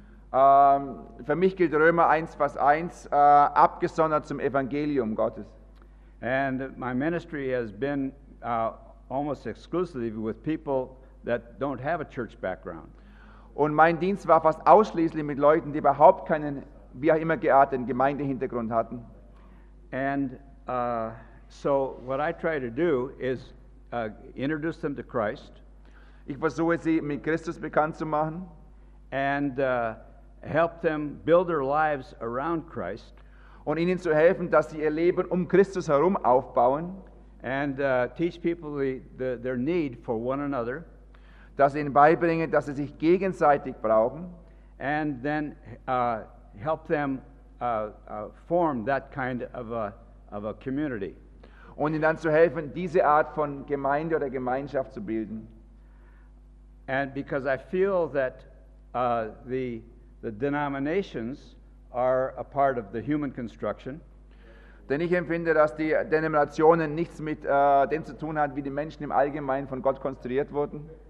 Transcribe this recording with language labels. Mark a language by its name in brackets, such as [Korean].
[German] Für mich gilt Römer 1, Vers 1, abgesondert zum Evangelium Gottes. [English] And my ministry has been almost exclusively with people that don't have a church background. [German] Und mein Dienst war fast ausschließlich mit Leuten, die überhaupt keinen, wie auch immer gearteten, Gemeindehintergrund hatten. [English] And so what I try to do is introduce them to Christ. [German] Ich versuche sie mit Christus bekannt zu machen. [English] And help them build their lives around Christ. [German] Und ihnen zu helfen, dass sie ihr Leben Christus herum aufbauen. [English] And teach people their need for one another. [German] Dass ihnen beibringen, dass sie sich gegenseitig brauchen. [English] And then help them form that kind of a community. [German] Und ihnen dann zu helfen, diese Art von Gemeinde oder Gemeinschaft zu bilden. [English] And because I feel that the denominations are a part of the human construction. [German] Denn ich empfinde, dass die Denominationen nichts mit dem zu tun haben, wie die Menschen im Allgemeinen von Gott konstruiert wurden.